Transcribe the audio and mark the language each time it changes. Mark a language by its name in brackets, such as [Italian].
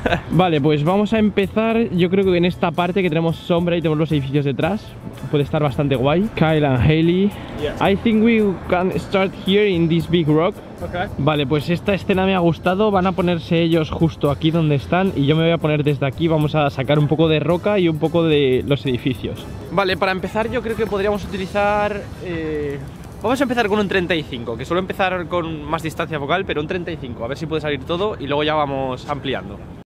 [Spanish] Vale, pues vamos a empezar. Yo creo que en esta parte que tenemos sombra y tenemos los edificios detrás puede estar bastante guay. [English] Kyle and Hayley. Yes. I think we can start here in this big rock. Okay. [Spanish] Vale, pues esta escena me ha gustado. Van a ponerse ellos justo aquí donde están y yo me voy a poner desde aquí. Vamos a sacar un poco de roca y un poco de los edificios. Vale, para empezar yo creo que podríamos utilizar... Vamos a empezar con un 35, que suelo empezar con más distancia focal, pero un 35, a ver si puede salir todo y luego ya vamos ampliando.